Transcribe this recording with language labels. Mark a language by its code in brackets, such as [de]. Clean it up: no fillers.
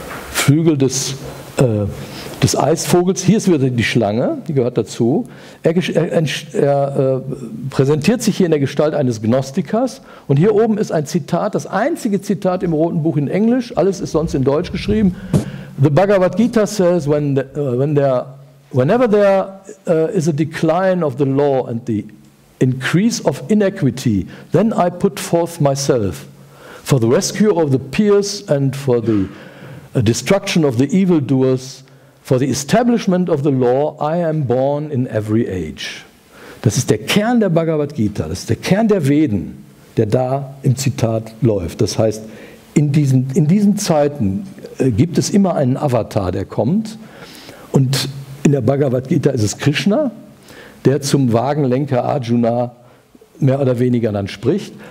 [de] Flügel des Eisvogels, hier ist wieder die Schlange, die gehört dazu. Er präsentiert sich hier in der Gestalt eines Gnostikers. Und hier oben ist ein Zitat, das einzige Zitat im Roten Buch in Englisch, alles ist sonst in Deutsch geschrieben. [en] The Bhagavad Gita says, whenever there is a decline of the law and the increase of inequity, then I put forth myself for the rescue of the pious and for the destruction of the evildoers, for the establishment of the law, I am born in every age. [de] Das ist der Kern der Bhagavad Gita, das ist der Kern der Veden, der da im Zitat läuft. Das heißt, in diesen Zeiten gibt es immer einen Avatar, der kommt. Und in der Bhagavad Gita ist es Krishna, der zum Wagenlenker Arjuna mehr oder weniger dann spricht.